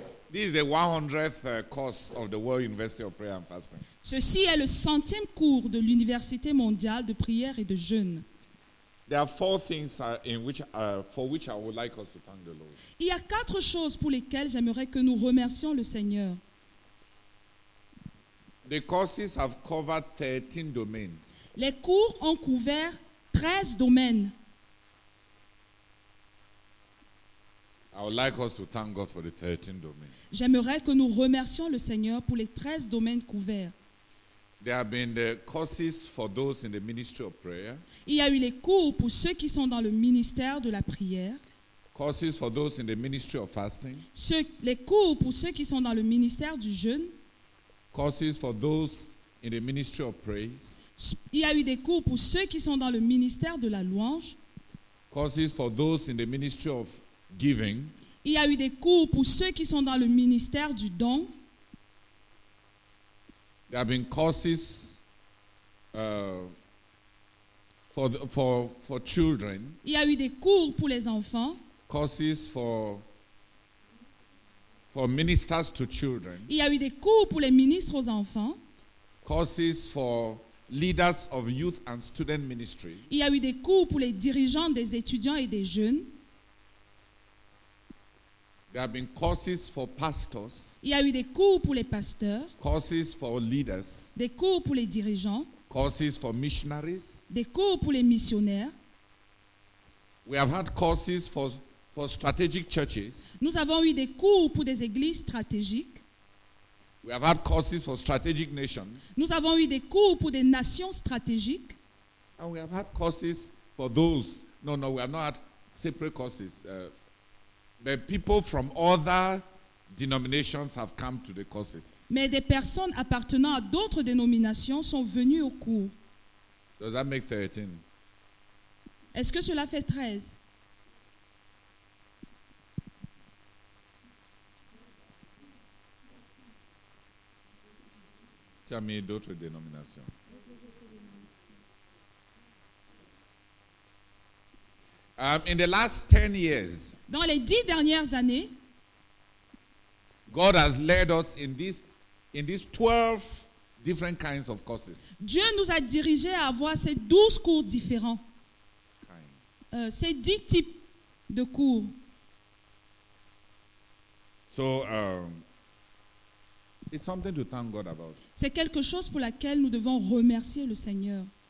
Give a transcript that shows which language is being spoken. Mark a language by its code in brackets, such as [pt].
[en] This is the 100th course of the World University of Prayer and Fasting. [fr] Ceci est le centième cours de l'Université mondiale de prière et de jeûne. [en] There are four things for which I would like us to thank the Lord. [fr] Il y a quatre choses pour lesquelles j'aimerais que nous remercions le Seigneur. [en] The courses have covered 13 domains. [fr] Les cours ont couvert 13 domaines. [en] I would like us to thank God for the 13 domains. [fr] J'aimerais que nous remercions le Seigneur pour les 13 domaines couverts. [en] There have been the courses for those in the ministry of prayer. [fr] Il y a eu les cours pour ceux qui sont dans le ministère de la prière. [en] Courses for those in the ministry of fasting. [fr] Les cours pour ceux qui sont dans le ministère du jeûne. [en] Courses for those in the ministry of praise. [fr] Il y a eu des cours pour ceux qui sont dans le ministère de la louange. [en] Courses for those in the ministry of giving. [fr] Il y a eu des cours pour ceux qui sont dans le ministère du don. [en] There have been courses for children. [fr] Il y a eu des cours pour les enfants. [en] Courses for ministers to children. [fr] Il y a eu des cours pour les ministres aux enfants. [en] Courses for leaders of youth and student ministry. [fr] Il y a eu des cours pour les dirigeants des étudiants et des jeunes. [en] There have been courses for pastors. [fr] Il y a eu des cours pour les pasteurs. [en] Courses for leaders. [fr] Des cours pour les dirigeants. [en] Courses for missionaries. [fr] Des cours pour les missionnaires. [en] We have had courses for strategic churches. [fr] Nous avons eu des cours pour des églises stratégiques. [en] We have had courses for strategic nations. [fr] Nous avons eu des cours pour des nations stratégiques. [en] And we have had courses for those. No, we have not had separate courses. But people from other denominations have come to the courses. [fr] Mais des personnes appartenant à d'autres dénominations sont venues au cours. [en] Does that make 13? [fr] Est-ce que cela fait 13? Tu as mis d'autres dénominations. [en] In the last 10 years, [fr] dans les 10 dernières années, [en] God has led us in these 12 different kinds of courses. [fr] Dieu nous a dirigé à avoir ces 12 cours différents. Ces 10 types de cours. [en] So it's something to thank God about. [fr] C'est quelque chose pour laquelle nous devons remercier le Seigneur.